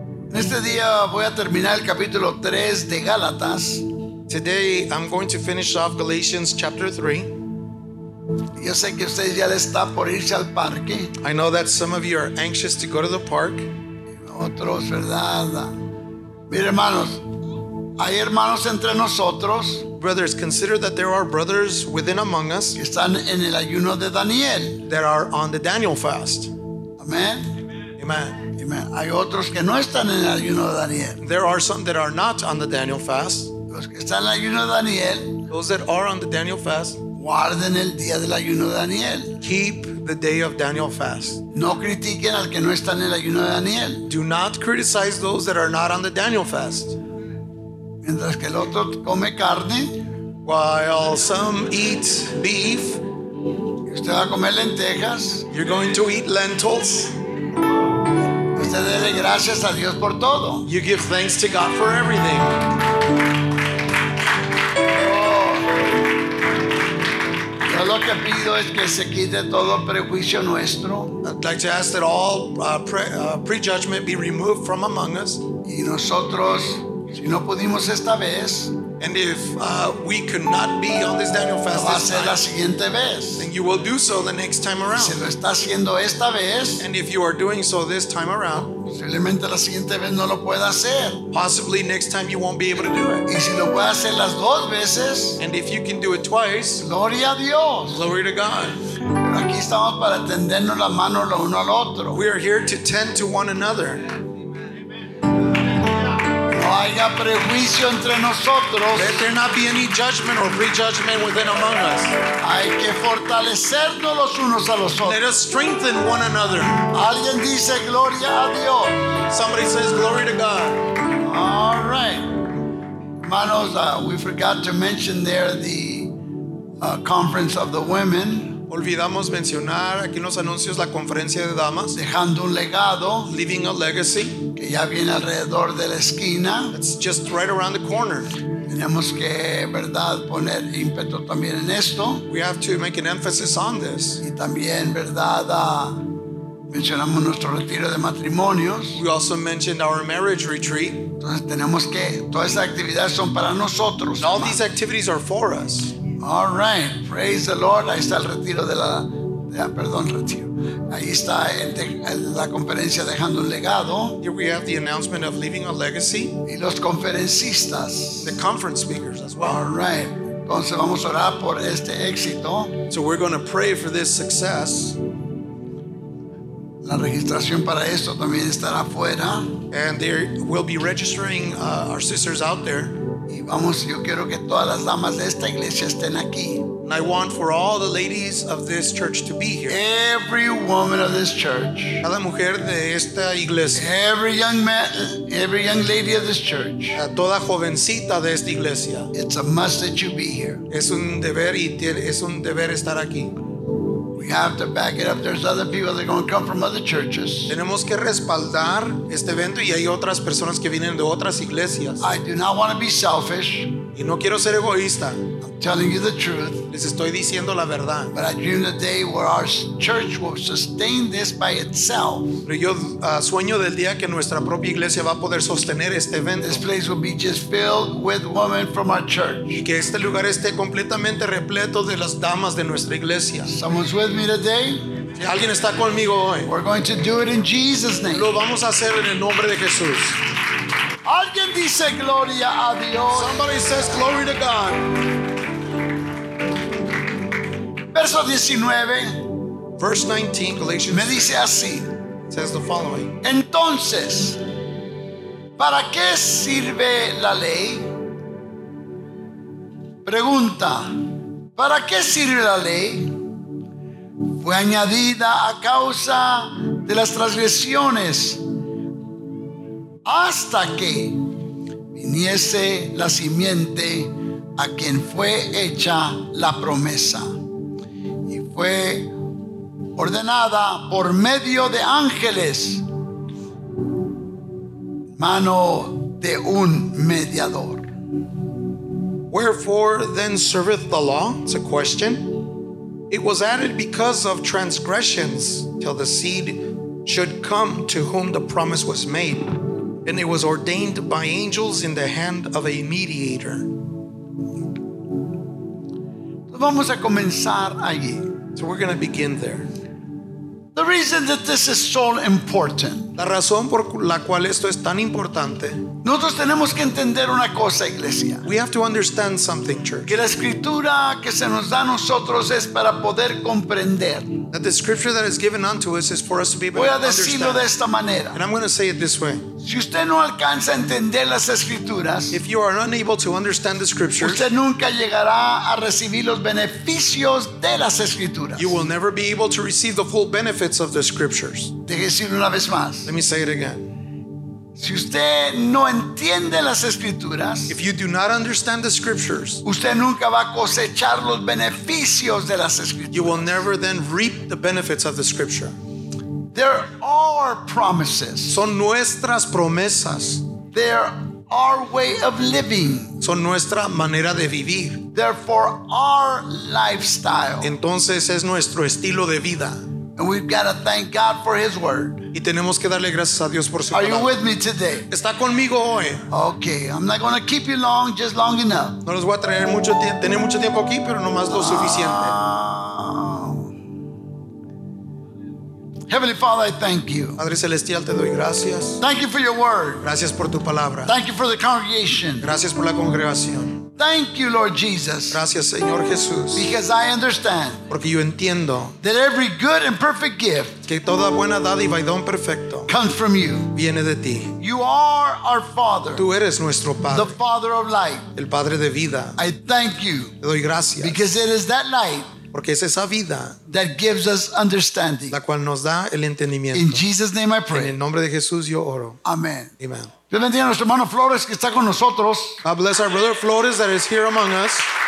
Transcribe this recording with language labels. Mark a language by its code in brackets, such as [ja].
[es] En este día voy a terminar el capítulo 3 de Gálatas. [en] Today I'm going to finish off Galatians chapter 3. [es] Yo sé que ustedes ya están por irse al parque. [en] I know that some of you are anxious to go to the park. [es] Otros, ¿verdad? Mire, hermanos, hay hermanos entre nosotros. [en] Brothers, consider that there are brothers within among us [es] que están en el ayuno de Daniel. [en] That are on the Daniel fast. [es] Amen. [en] Amen. [es] Amen. Hay otros que no están en el ayuno de Daniel. [en] There are some that are not on the Daniel fast. [es] Los que están en el ayuno de Daniel, [en] those that are on the Daniel fast, [es] guarden el día del ayuno de Daniel. [en] Keep the day of Daniel fast. [es] No critiquen al que no está en el ayuno de Daniel. [en] Do not criticize those that are not on the Daniel fast. [es] Mientras que el otro come carne, [en] while some eat beef, [es] usted va a comer lentejas, [en] you're going to eat lentils. [es] Usted dele gracias a Dios por todo. [en] You give thanks to God for everything. [es] Yo lo que pido es que se quite todo prejuicio nuestro. [en] I'd like to ask that all prejudgment be removed from among us. [es] Y nosotros, si no pudimos esta vez, [en] and if we could not be on this Daniel fast, [es] va a ser la siguiente vez. [en] Then you will do so the next time around. [es] Si lo está haciendo esta vez, [en] and if you are doing so this time around, [es] posiblemente la siguiente vez no lo pueda hacer. [en] Possibly next time you won't be able to do it. [es] Y si lo puede hacer las dos veces, [en] and if you can do it twice, [es] gloria a Dios. [en] Glory to God. [es] Pero aquí estamos para tendernos la mano lo uno al otro. [en] We are here to tend to one another. [es] Haya prejuicio entre nosotros. [en] Let there not be any judgment or prejudgment within among us. [es] Hay que fortalecernos los unos a los otros. [en] Let us strengthen one another. [es] Alguien dice gloria a Dios. [en] Somebody says glory to God. All right, hermanos, we forgot to mention there the conference of the women. [es] Olvidamos mencionar aquí en los anuncios la conferencia de damas. Dejando un legado. [en] Leaving a legacy. [es] Que ya viene alrededor de la esquina. [en] It's just right around the corner. [es] Tenemos que, verdad, poner ímpetu también en esto. [en] We have to make an emphasis on this. [es] Y también, verdad, mencionamos nuestro retiro de matrimonios. [en] We also mentioned our marriage retreat. [es] Entonces tenemos que, todas esas actividades son para nosotros. [en] All these activities are for us. All right, praise the Lord. [es] Ahí está el retiro de la, perdón, retiro. Ahí está la conferencia dejando un legado. [en] Here we have the announcement of leaving a legacy. [es] Y los conferencistas. [en] The conference speakers as well. All right, [es] entonces vamos a orar por este éxito. [en] So we're going to pray for this success. [es] La registración para esto también estará afuera. [en] And there will be registering our sisters out there. [es] Y vamos, yo quiero que todas las damas de esta iglesia estén aquí. [en] And I want for all the ladies of this church to be here. Every woman of this church. [es] Cada mujer de esta iglesia. [en] Every young man, every young lady of this church. [es] A toda jovencita de esta iglesia. [en] It's a must that you be here. [es] Es un deber estar aquí. [en] We have to back it up. There's other people that are going to come from other churches. [es] Tenemos que respaldar este evento y hay otras personas que vienen de otras iglesias. [en] I do not want to be selfish. [es] Y no quiero ser egoísta. [en] I'm telling you the truth. [es] Les estoy diciendo la verdad. [en] But I dream the day where our church will sustain this by itself. [es] Pero yo sueño del día que nuestra propia iglesia va a poder sostener este evento. [en] This place will be just filled with women from our church. [es] Y que este lugar esté completamente repleto de las damas de nuestra iglesia. [en] Someone's with me today. [es] Si alguien está conmigo hoy. [en] We're going to do it in Jesus' name. [es] Lo vamos a hacer en el nombre de Jesús. Alguien dice gloria a Dios. [en] Somebody says glory to God. [es] Verso 19. [en] Verse 19, Galatians. [es] Me dice así. [en] Says the following. [es] Entonces, ¿para qué sirve la ley? Pregunta. ¿Para qué sirve la ley? Fue añadida a causa de las transgresiones. Hasta que viniese la simiente a quien fue hecha la promesa. Y fue ordenada por medio de ángeles, mano de un mediador. [en] Wherefore then serveth the law? It's a question. It was added because of transgressions till the seed should come to whom the promise was made. And it was ordained by angels in the hand of a mediator. [es] Vamos a comenzar allí. [en] So we're going to begin there. The reason that this is so important. [es] La razón por la cual esto es tan importante. Nosotros tenemos que entender una cosa, iglesia. [en] We have to understand something, church. [es] Que la escritura que se nos da a nosotros es para poder comprender. [en] That the scripture that is given unto us is for us to be able to understand. [es] Voy a decirlo de esta manera. [en] And I'm going to say it this way. [es] Si usted no alcanza a entender las escrituras, [en] if you are unable to understand the scriptures, [es] usted nunca llegará a recibir los beneficios de las escrituras. [en] You will never be able to receive the full benefits of the scriptures. [es] Déjeme decirlo una vez más. [en] Let me say it again. [es] Si usted no entiende las escrituras, [en] if you do not understand the scriptures, [es] usted nunca va a cosechar los beneficios de las escrituras. [en] You will never then reap the benefits of the scripture. There are promises. [es] Son nuestras promesas. [en] There are way of living. [es] Son nuestra manera de vivir. [en] Therefore, our lifestyle. [es] Entonces es nuestro estilo de vida. [en] And we've got to thank God for His word. [es] Y tenemos que darle gracias a Dios por su [en] palabra. Are you with me today? [es] ¿Está conmigo hoy? [en] Okay, I'm not going to keep you long, just long enough. [es] No los voy a traer mucho tiempo, tener mucho tiempo aquí, pero nomás lo suficiente. [en] Heavenly Father, I thank you. [es] Padre celestial, te doy gracias. [en] Thank you for your word. [es] Gracias por tu palabra. [en] Thank you for the congregation. [es] Gracias por la congregación. [en] Thank you, Lord Jesus. [es] Gracias, Señor Jesús. [en] Because I understand. [es] Porque yo entiendo. [en] That every good and perfect gift. [es] Que toda buena dádiva y don perfecto. [en] Comes from you. [es] Viene de ti. [en] You are our Father. [es] Tú eres nuestro Padre. [en] The Father of light. [es] El Padre de vida. [en] I thank you. [es] Te doy gracias. [en] Because it is that light. [es] Porque es esa vida. [en] That gives us understanding. [es] La cual nos da el entendimiento. [en] In Jesus' name I pray. [es] En el nombre de Jesús yo oro. [en] Amen. [es] Amen. Dios bendiga a nuestro hermano Flores que está con nosotros. [en] God bless our brother Flores that is here among us.